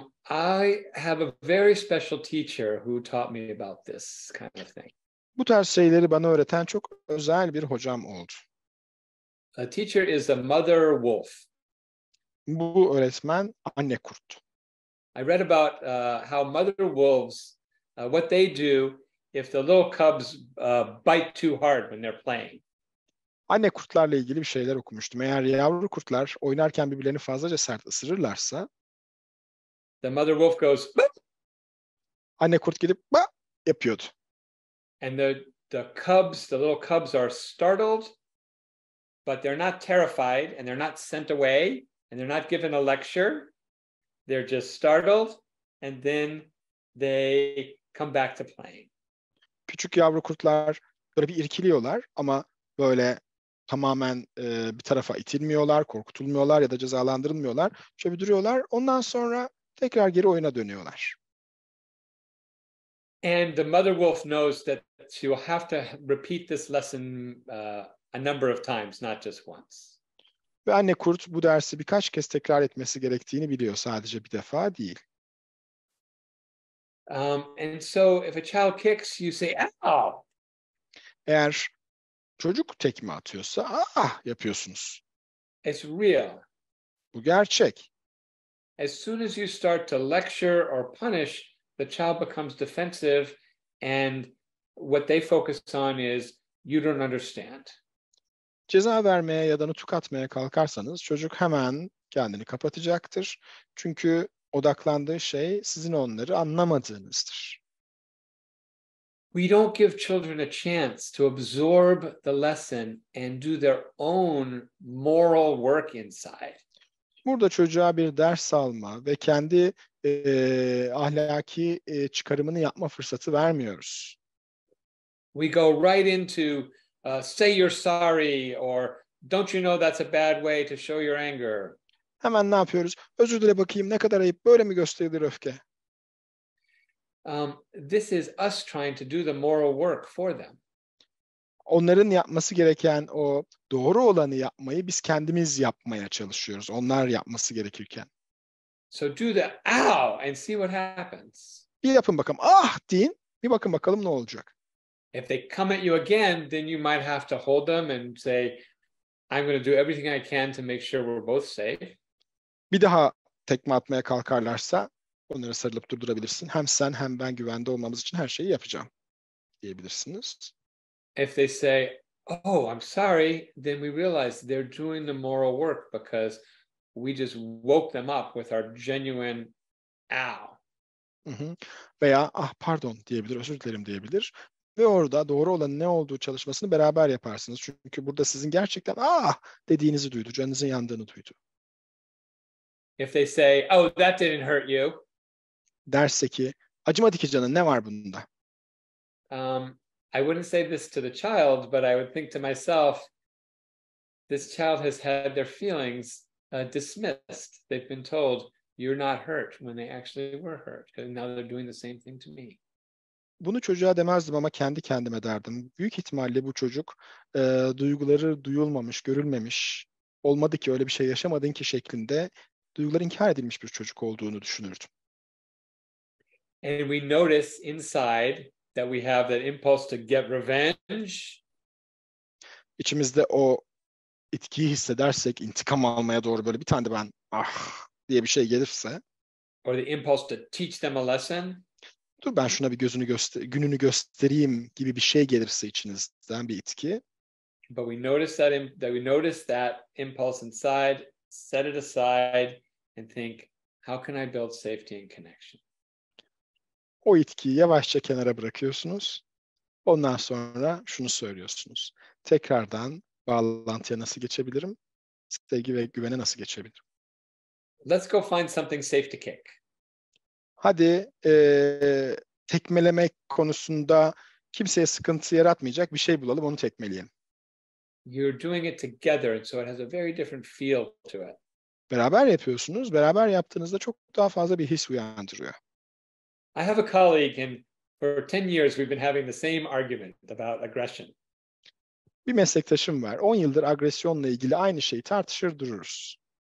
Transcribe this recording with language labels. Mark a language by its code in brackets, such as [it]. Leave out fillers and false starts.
[en] I have a very special teacher who taught me about this kind of thing. [tr] Bu tarz şeyleri bana öğreten çok özel bir hocam oldu. [en] A teacher is a mother wolf. [tr] Bu öğretmen anne kurt. [en] I read about how mother wolves, what they do if the little cubs bite too hard when they're playing. [tr] Anne kurtlarla ilgili bir şeyler okumuştum. Eğer yavru kurtlar oynarken birbirlerini fazlaca sert ısırırlarsa, [en] the mother wolf goes, bah! [tr] Anne kurt gidip bah! Yapıyordu. [en] And the cubs, the little cubs are startled, but they're not terrified and they're not sent away and they're not given a lecture. They're just startled and then they come back to playing. [tr] Küçük yavru kurtlar böyle bir irkiliyorlar ama böyle tamamen bir tarafa itilmiyorlar, korkutulmuyorlar ya da cezalandırılmıyorlar. Şöyle bir duruyorlar. Ondan sonra tekrar geri oyuna dönüyorlar. [en] And the mother wolf knows that she will have to repeat this lesson a number of times, not just once. [tr] Ve anne kurt bu dersi birkaç kez tekrar etmesi gerektiğini biliyor, sadece bir defa değil. [en] And so if a child kicks, you say, ow! [tr] Eğer çocuk tekme atıyorsa, ah, yapıyorsunuz. [en] It's real. [tr] Bu gerçek. [en] As soon as you start to lecture or punish, the child becomes defensive and what they focus on is you don't understand. [tr] Ceza vermeye ya da nutuk atmaya kalkarsanız çocuk hemen kendini kapatacaktır. Çünkü odaklandığı şey sizin onları anlamadığınızdır. [en] We don't give children a chance to absorb the lesson and do their own moral work inside. [tr] Burada çocuğa bir ders alma ve kendi ahlaki çıkarımını yapma fırsatı vermiyoruz. [en] We go right into say you're sorry or don't you know that's a bad way to show your anger. [tr] Hemen ne yapıyoruz? Özür dile bakayım, ne kadar ayıp, böyle mi gösterilir öfke? [en] This is us trying to do the moral work for them. [tr] Onların yapması gereken o doğru olanı yapmayı biz kendimiz yapmaya çalışıyoruz. Onlar yapması gerekirken. [en] So do the ow and see what happens. [tr] Bir yapın bakalım. Ah deyin. Bir bakın bakalım ne olacak. [en] If they come at you again, then you might have to hold them and say, I'm going to do everything I can to make sure we're both safe. [tr] Bir daha tekme atmaya kalkarlarsa onları sarılıp durdurabilirsin. Hem sen hem ben güvende olmamız için her şeyi yapacağım diyebilirsiniz. [en] If they say, oh, I'm sorry, then we realize they're doing the moral work because we just woke them up with our genuine ow. [tr] Veya ah pardon diyebilir, özür dilerim diyebilir. Ve orada doğru olan ne olduğu çalışmasını beraber yaparsınız. Çünkü burada sizin gerçekten ah dediğinizi duydu, canınızın yandığını duydu. [en] If they say, oh, that didn't hurt you. [tr] Derse ki, acımadı ki canın, ne var bunda? [en] I wouldn't say this to the child, but I would think to myself, this child has had their feelings dismissed. They've been told, you're not hurt, when they actually were hurt. And now they're doing the same thing to me. [tr] Bunu çocuğa demezdim ama kendi kendime derdim. Büyük ihtimalle bu çocuk duyguları duyulmamış, görülmemiş, olmadı ki, öyle bir şey yaşamadın ki şeklinde duyguları inkar edilmiş bir çocuk olduğunu düşünürdüm. [en] And we notice inside that we have that impulse to get revenge. [tr] İçimizde o itkiyi hissedersek, intikam almaya doğru böyle bir tane de ben ah diye bir şey gelirse. [en] Or the impulse to teach them a lesson. [tr] Dur ben şuna bir gözünü gününü göstereyim gibi bir şey gelirse içinizden bir itki. [en] But we notice that we notice that impulse inside, set it aside and think, how can I build safety and connection? [tr] O itkiyi yavaşça kenara bırakıyorsunuz. Ondan sonra şunu söylüyorsunuz. Tekrardan bağlantıya nasıl geçebilirim? Sevgi ve güvene nasıl geçebilirim? [en] Let's go find something safe to kick. [tr] Hadi tekmelemek konusunda kimseye sıkıntı yaratmayacak bir şey bulalım, onu tekmeleyelim. [en] You're doing it together, so it has a very different feel to it. [tr] Beraber yapıyorsunuz, beraber yaptığınızda çok daha fazla bir his uyandırıyor. [en] I have a colleague and for 10 years we've been having the same argument about aggression. [tr] Bir meslektaşım var. 10 yıldır agresyonla ilgili aynı şeyi tartışır dururuz.